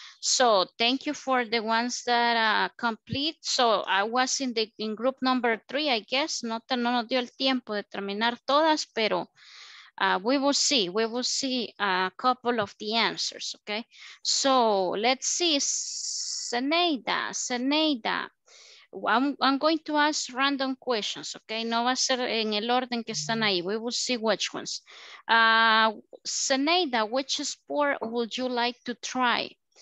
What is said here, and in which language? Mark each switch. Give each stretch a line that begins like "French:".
English: So thank you for the ones that complete. So I was in the in group number 3, I guess.
Spanish: No nos dio el tiempo de terminar todas, pero
English: we will see. We will see a couple of the answers. Okay. So let's see. Zeneida. I'm going to ask random questions, okay?
Spanish: No va a ser en el orden que están ahí.
English: We will see which ones. Zeneida, which sport would you like to try?